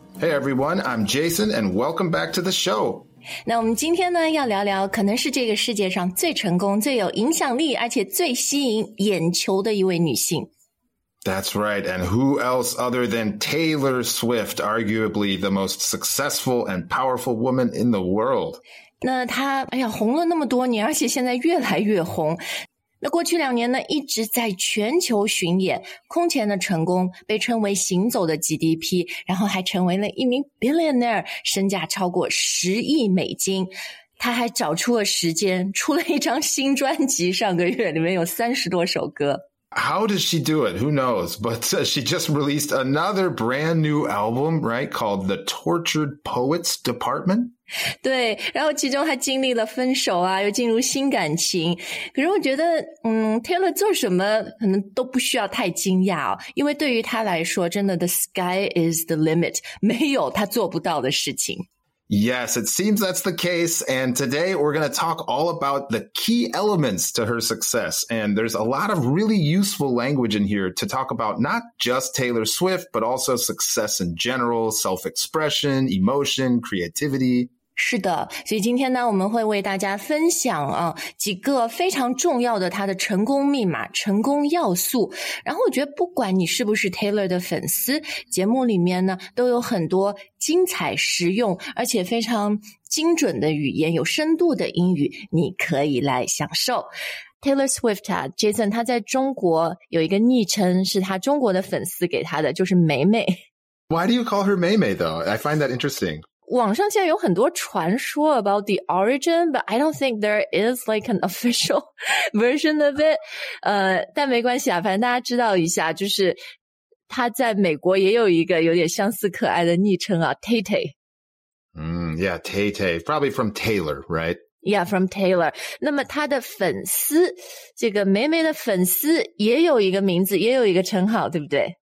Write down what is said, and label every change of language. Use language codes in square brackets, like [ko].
[en] Hey everyone, I'm Jason, and welcome back to the show. [zh] 那我们今天呢，要聊聊可能是这个世界上最成功、最有影响力，而且最吸引眼球的一位女性。 [en] That's right, and who else other than Taylor Swift, arguably the most successful and powerful woman in the world? [zh] 那她，哎呀，红了那么多年，而且现在越来越红。那过去两年呢，一直在全球巡演，空前的成功，被称为行走的 GDP， 然后还成为了一名 billionaire， 身价超过10亿美金。他还找出了时间，出了一张新专辑，上个月里面有30多首歌。 [en] How does she do it? Who knows? But she just released another brand new album, right? Called The Tortured Poets Department. [zh] 对，然后其中还经历了分手啊，又进入新感情。可是我觉得，Taylor 做什么可能都不需要太惊讶哦，因为对于他来说，真的 [en] the sky is the limit， [zh] 没有他做不到的事情。 [en] Yes, it seems that's the case. And today we're going to talk all about the key elements to her success. And there's a lot of really useful language in here to talk about not just Taylor Swift, but also success in general, self-expression, emotion, creativity. [zh] 是的，所以今天呢，我们会为大家分享啊几个非常重要的她的成功密码、成功要素。然后我觉得不管你是不是 Taylor 的粉丝，节目里面呢都有很多精彩、实用，而且非常精准的语言、有深度的英语，你可以来享受。 Taylor Swift 啊 ，Jason， 他在中国有一个昵称，是他中国的粉丝给他的，就是梅梅。 [en] Why do you call her 梅梅 though? I find that interesting. [zh] 网上现在有很多传说 [en] about the origin, but I don't think there is like an official version of it. [zh] 但没关系啊，反正大家知道一下，就是他在美国也有一个有点相似可爱的昵称啊 ,Tay Tay. [en] Yeah, Tay Tay. Probably from Taylor, right? Yeah, from Taylor. [zh] 那么他的粉丝，这个梅梅的粉丝也有一个名字，也有一个称号，对不对？